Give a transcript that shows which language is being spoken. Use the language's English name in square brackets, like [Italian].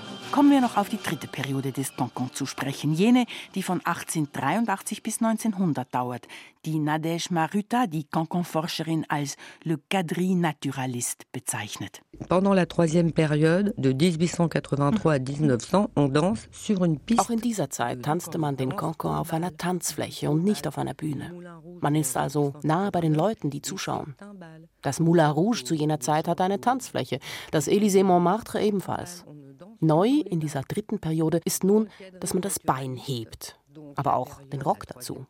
[German] kommen wir noch auf die dritte Periode des Cancan zu sprechen, jene, die von 1883 bis 1900 dauert, die Nadège Maruta, die Cancan-Forscherin, als le quadrille naturaliste bezeichnet. [French] Pendant la troisième période, de 1883 à 1900, on danse sur une piste. [German] Auch in dieser Zeit tanzte man den Cancan auf einer Tanzfläche und nicht auf einer Bühne. Man ist also nahe bei den Leuten, die zuschauen. Das Moulin Rouge zu jener Zeit hatte eine Tanzfläche, das Élysée Montmartre ebenfalls. Neu in dieser dritten Periode ist nun, dass man das Bein hebt, aber auch den Rock dazu.